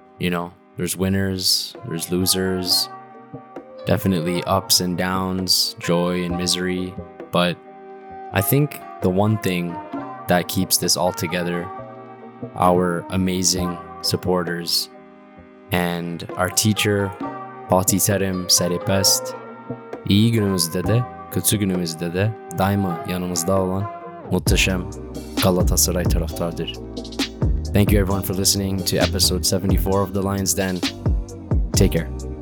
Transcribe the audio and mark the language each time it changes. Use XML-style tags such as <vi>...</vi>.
<en>You know, there's winners, there's losers, definitely ups and downs, joy and misery. But I think the one thing that keeps this all together, our amazing supporters and our teacher, Pati Terim, said it best.</en> <tr>İyi günümüzde de, kötü günümüzde de daima yanımızda olan muhteşem Galatasaray taraftardır.</tr> <en>Thank you everyone for listening to episode 74 of The Lion's Den. Take care.</en>